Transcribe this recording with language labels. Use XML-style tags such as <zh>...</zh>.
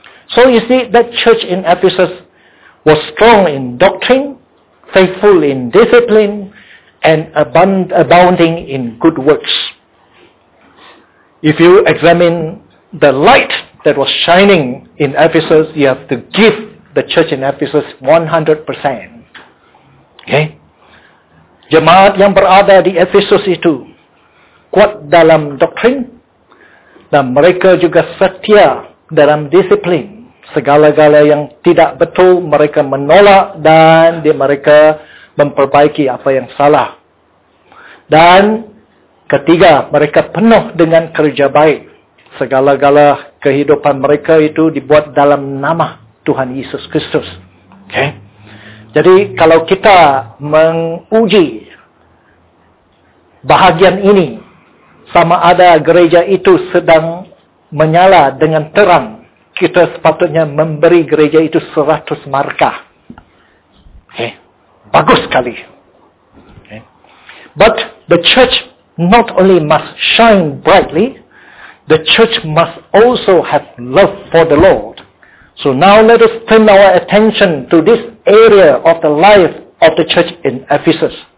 <en>So you see, that church in Ephesus was strong in doctrine, faithful in discipline, and abounding in good works. If you examine the light that was shining in Ephesus, you have to give the church in Ephesus 100%. Okay?</en> <ms>Jemaat yang berada di Ephesus itu kuat dalam doktrin, dan mereka juga setia dalam disiplin. Segala-gala yang tidak betul mereka menolak dan mereka memperbaiki apa yang salah. Dan ketiga, mereka penuh dengan kerja baik. Segala-gala kehidupan mereka itu dibuat dalam nama Tuhan Yesus Kristus. Okay? Jadi kalau kita menguji bahagian ini, sama ada gereja itu sedang menyala dengan terang, kita sepatutnya memberi gereja itu 100 markah. Okay. Bagus sekali. Okay.</ms> <en>But the church not only must shine brightly, the church must also have love for the Lord. So now let us turn our attention to this area of the life of the church in Ephesus.</en>